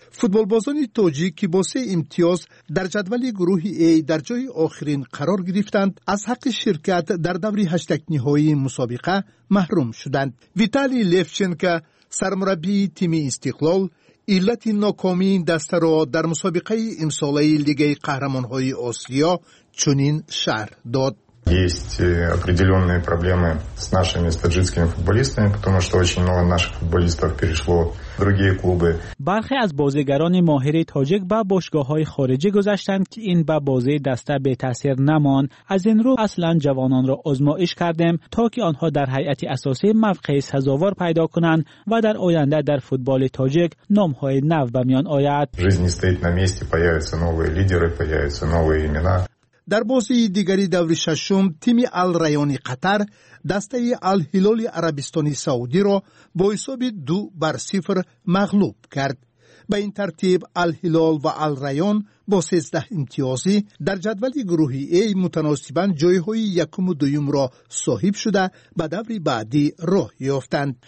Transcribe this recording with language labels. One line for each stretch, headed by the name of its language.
Persian: فوتبال بازان تاجیک که با 3 امتیاز در جدول گروه A در جای آخرین قرار گرفتند از حق شرکت در دور هشتک نهایی مسابقه محروم شدند. ویتالی لفچنکا سرمربی تیم استقلال علت ناکامی این دسته را در مسابقه امساله لیگ قهرمانهای آسیا چنین شرح داد.
Russian: Есть определенные проблемы с нашими таджикскими футболистами, потому что очень много наших футболистов перешло в другие клубы.
Persian: برخی از بازیگران ماهر تاجیک به باشگاه‌های خارجی گذشتند که این به بازی دسته به تاثیر نماند. از این رو اصلا جوانان را آزمایش کردیم تا که آنها در هیئت اساسی موقع سزاوار پیدا کنند و در آینده در فوتبال تاجیک نام‌های نو به میان آید.
Russian: Жизнь не стоит на месте, появятся новые лидеры, появятся новые имена.
Persian: در بازی دیگری دور ششم تیم الریان قطر دسته الهلال عربستان سعودی را با حساب 2-0 مغلوب کرد. به این ترتیب الهلال و الریان با 13 امتیازی در جدول گروه A متناسباً جایهای یکم و دویم را صاحب شده به دور بعدی راه یافتند.